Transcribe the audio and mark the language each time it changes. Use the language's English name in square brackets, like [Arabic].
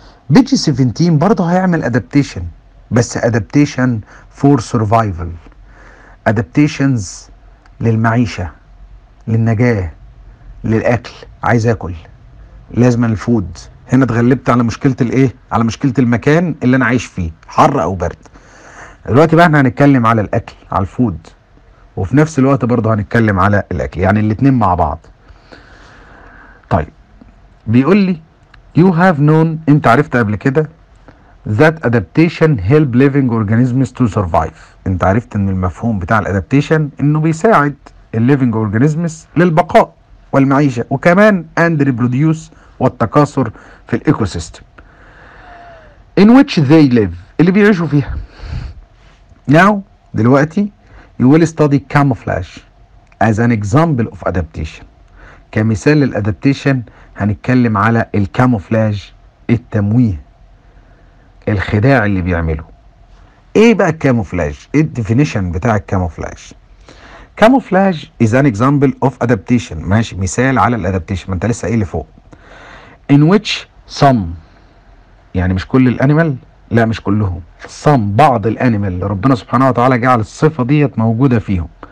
[Arabic] بيجي 17 برضه هيعمل ادابتيشن، بس [English] adaptation for survival, [Arabic] ادابتيشنز للمعيشه، للنجاه، للاكل. عايز اكل، لازم الفود. هنا اتغلبت على مشكله الايه، على مشكله المكان اللي انا عايش فيه حر او برد. دلوقتي بقى احنا هنتكلم على الاكل، على الفود، وفي نفس الوقت برضه هنتكلم على الاكل، يعني الاثنين مع بعض. طيب بيقول لي [English] you have known، [Arabic] انت عرفت قبل كده [English] that adaptation help living organisms to survive. [Arabic] انت عرفت ان المفهوم بتاع الادابتيشن انه بيساعد الليفنج اورجانيزمز للبقاء والمعيشه، وكمان [English] and reproduce, [Arabic] والتكاثر في الايكو سيستم [English] in which they live, [Arabic] اللي بيعيشوا فيها. [English] Now دلوقتي you will study camouflage as an example of adaptation. [Arabic] كمثال للادابتيشن هنتكلم على الكاموفلاج، التمويه، الخداع اللي بيعمله. [English] ايه بقى الكاموفلاج؟ ايه الديفينيشن بتاع الكاموفلاج؟ Camouflage is an example of adaptation. [Arabic] ماشي، مثال على الادابتيشن، ما انت لسه ايه اللي فوق. [English] In which some، [Arabic] يعني مش كل الانيمال، لا مش كلهم، some، بعض الانيمال اللي ربنا سبحانه وتعالى جعل الصفة ديت موجودة فيهم.